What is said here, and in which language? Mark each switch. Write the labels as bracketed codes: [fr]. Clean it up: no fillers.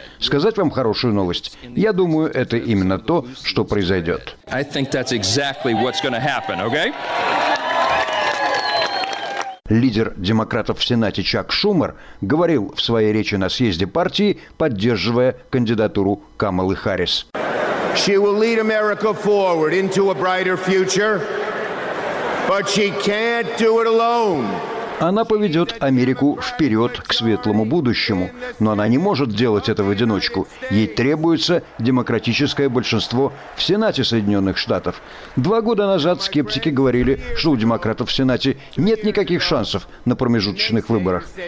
[ru] Сказать вам хорошую новость. Я думаю, это именно то, что произойдет. Лидер демократов в Сенате Чак Шумер говорил в своей речи на съезде партии, поддерживая кандидатуру Камалы Харрис. [en] She will lead America forward into a brighter future. But she can't do it alone. [ru] Она поведет Америку вперед к светлому будущему. Но она не может делать это в одиночку. Ей требуется демократическое большинство в Сенате Соединенных Штатов. Два года назад скептики говорили, что у демократов в Сенате нет никаких шансов на промежуточных выборах.